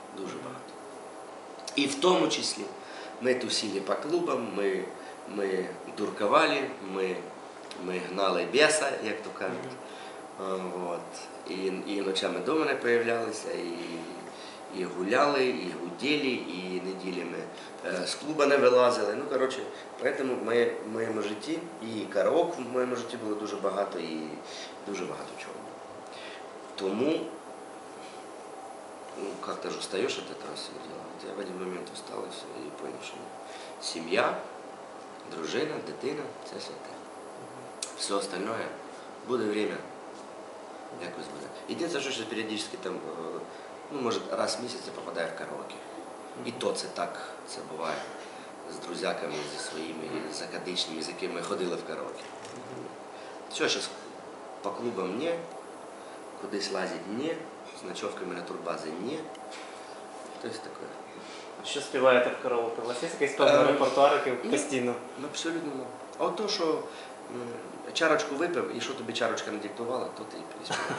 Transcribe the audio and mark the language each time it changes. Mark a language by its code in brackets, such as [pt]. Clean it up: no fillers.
[uk] Дуже багато. І в тому числі ми тусили по клубам, ми дуркували, ми гнали біса, як то кажуть. Вот. І ночами до мене появлялися, і гуляли, і гуділи, і неділями з клуба не вилазили. Ну, коротше, [ru] поэтому [uk] в моєму житті і караок в моєму житті було дуже багато і дуже багато чого. [ru] Тому как ты же устаешь от этого всего дела? Вот я в один момент устал и все, и понял, что семья, [uk] дружина, дитина, [ru] все святое. Все остальное, будет время, как вы знаете. Единственное, что периодически там, ну, может, раз в месяц я попадаю в караоке. И то это так, это бывает с друзьями, со своими, с академичными, с которыми мы ходили в караоке. Все, что по клубам не, [uk] кудись лазить не, з ночовками на турбазі – ні. Хтось таке. Що співаєте в караоке? У вас є якийсь певний репертуар, який постійно? Ні, абсолютно ні. А от то, що чарочку випив, і що тобі чарочка не диктувала, то ти і піснює.